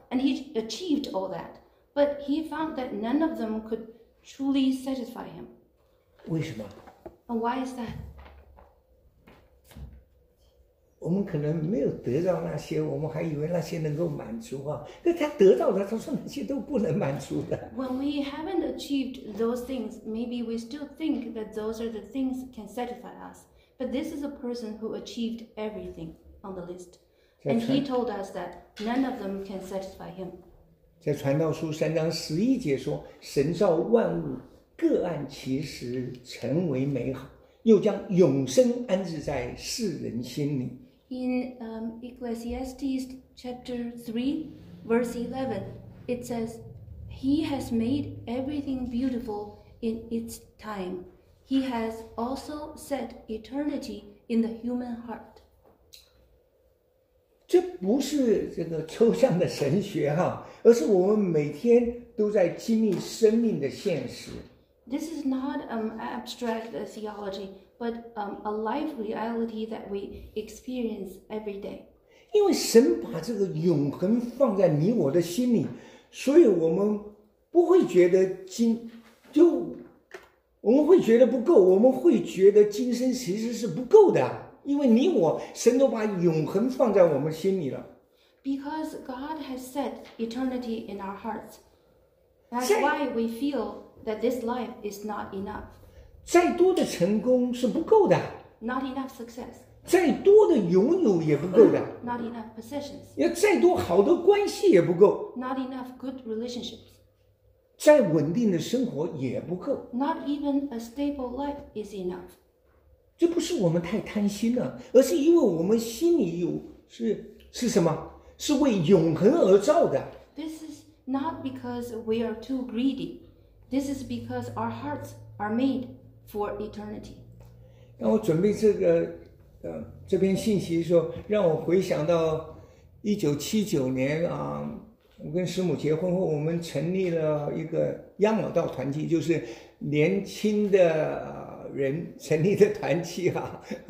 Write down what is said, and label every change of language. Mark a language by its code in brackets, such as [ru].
[en] And he achieved all that. But he found that none of them could truly satisfy him. [zh] 为什么？ [en] And why is that? [zh] 我们可能没有得到那些，我们还以为那些能够满足啊。那他得到的，他说那些都不能满足的。 [en] When we haven't achieved those things, maybe we still think that those are the things that can satisfy us. But this is a person who achieved everything on the list. And he told us that none of them can satisfy him. [zh] 在传道书三章十一节说，神造万物，各按其时成为美好。又将永生安置在世人心里。 [en] In Ecclesiastes chapter 3, verse 11, it says, He has made everything beautiful in its time. He has also set eternity in the human heart. [zh] 这不是这个抽象的神学哈，而是我们每天都在经历生命的现实。 [en] This is not abstract theology, but a life reality that we experience every day. [zh] 因为神把这个永恒放在你我的心里，所以我们不会觉得今就我们会觉得不够，我们会觉得今生其实是不够的，因为你我神都把永恒放在我们心里了。 [en] Because God has set eternity in our hearts, that's why we feel that this life is not enough. [zh] 再多的成功是不够的。 [en] Not enough success. [zh] 再多的拥有也不够的。 [en] Not enough possessions. [zh] 要再多好的关系也不够。 [en] Not enough good relationships. [zh] 再稳定的生活也不够。 [en] Not even a stable life is enough. [zh] 这不是我们太贪心了，而是因为我们心里有是什么？是为永恒而造的。 [en] This is not because we are too greedy. This is because our hearts are made for eternity. [zh] 当我准备这个这篇信息的时候，让我回想到1979年啊。我跟师母结婚后，我们成立了一个养老道团契，就是年轻的人成立的团契啊。